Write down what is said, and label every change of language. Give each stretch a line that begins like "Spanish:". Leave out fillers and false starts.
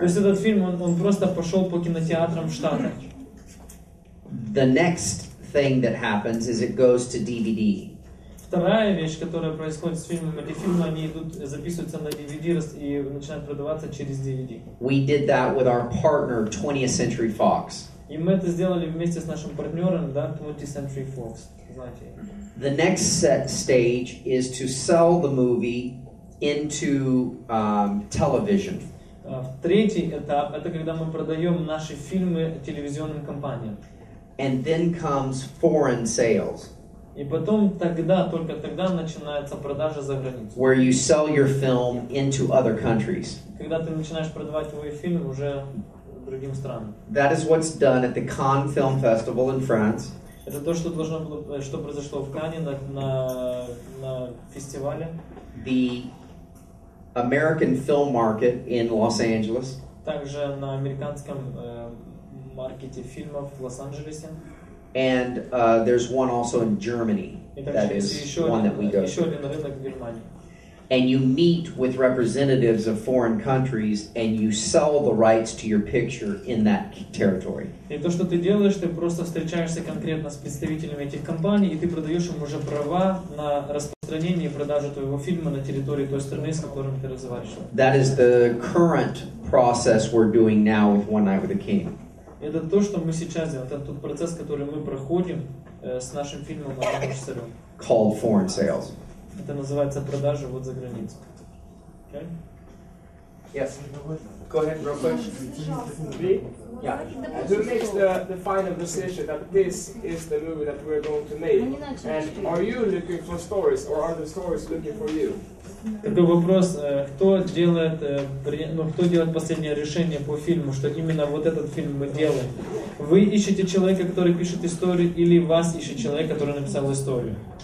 Russian: То есть этот фильм он просто пошел по кинотеатрам в Штатах.
English: The next thing that happens is it goes to DVD.
Russian: Вторая вещь, которая происходит с фильмами, эти фильмы они идут, записываются на DVD и начинают продаваться через DVD.
English: We did that with our partner 20th Century Fox.
Russian: И мы это сделали вместе с нашим партнером, да, 20th Century Fox. Знаете.
English: The next set stage is to sell the movie into television.
Russian: Третий этап это когда мы продаем наши фильмы телевизионным компаниям.
English: And then comes foreign sales.
Russian: И потом тогда, только тогда начинается продажа за границу.
English: Where you sell your film into other countries.
Russian: Когда ты начинаешь продавать твой фильм уже другим странам.
English: That is what's done at the Cannes Film Festival in France.
Russian: Это то, что должно было, что произошло в Канне на фестивале.
English: The American film market in Los Angeles.
Russian: Также на американском маркете фильмов в Лос-Анджелесе.
English: And there's one also in Germany. That is one that we go to. And you meet with representatives of foreign countries and you sell the rights to your picture in that territory.
Russian: И то, что ты делаешь, ты просто встречаешься конкретно с представителями этих компаний, и ты продаешь им уже права на распространение и продажу твоего фильма на территории той страны, с которым ты разговариваешь.
English: That is the current process we're doing now with One Night with the King.
Russian: Это то, что мы сейчас делаем, это тот процесс, который мы проходим с нашим фильмом на режиссером.
English: Called foreign sales.
Russian: Это называется продажа вот за границу.
English: Okay? Yes. Go ahead, real quick. Yeah. Who makes the final decision that this is the movie that we're going to make? And are you looking for stories or are the stories looking for you?
Russian: Это вопрос, кто делает последнее решение по фильму, что именно вот этот фильм мы делаем. Вы ищете человека, который пишет историю, или вас ищет человек, который написал историю?